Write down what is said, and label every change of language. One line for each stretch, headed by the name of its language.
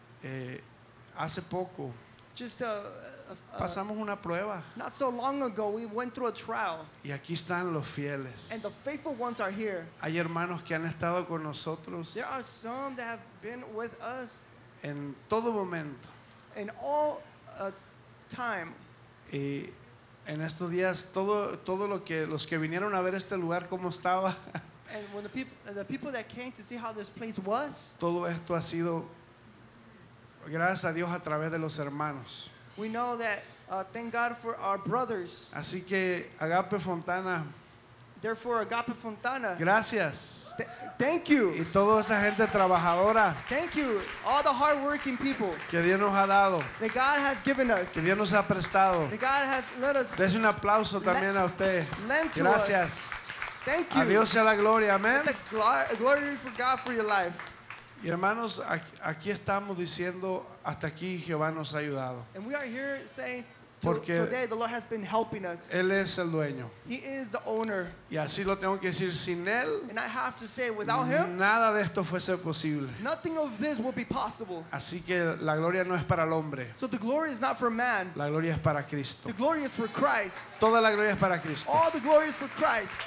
Spanish: Hace poco
English: just
Spanish: pasamos una prueba.
English: Not so long ago we went through a trial.
Spanish: Y aquí están los fieles.
English: And the faithful ones are here.
Spanish: Hay hermanos que han estado con nosotros.
English: There are some that have been with us.
Spanish: En todo momento.
English: In all time.
Spanish: Y en estos días todo lo que los que vinieron a ver este lugar cómo estaba.
English: And when the people that came to see how this place was.
Spanish: Todo esto ha sido gracias a Dios a través de los hermanos.
English: We know that thank God for our brothers.
Spanish: Así que Agape Fontana.
English: Therefore Agape Fontana.
Spanish: Gracias.
English: Thank you.
Spanish: Y toda esa gente trabajadora.
English: Thank you all the hard working people.
Spanish: Que Dios nos ha dado.
English: That God has given us.
Spanish: Que Dios nos ha prestado.
English: That God has let us.
Spanish: Dese un aplauso también a usted.
English: Lent to
Spanish: gracias.
English: Us. Thank you.
Spanish: A Dios sea la gloria, amén.
English: Glory for God for your life.
Spanish: Y hermanos, aquí estamos diciendo hasta aquí Jehová nos ha ayudado.
English: And we are here saying
Spanish: porque
English: today the Lord has been helping us.
Spanish: Él es el dueño.
English: He is the owner.
Spanish: Y así lo tengo que decir, sin él.
English: And I have to say without him.
Spanish: Nada de esto fuese posible.
English: Nothing of this would be possible.
Spanish: Así que la gloria no es para el hombre.
English: So the glory is not for man.
Spanish: La gloria es para Cristo.
English: The glory is for Christ.
Spanish: Toda la gloria es para Cristo.
English: All the glory is for Christ.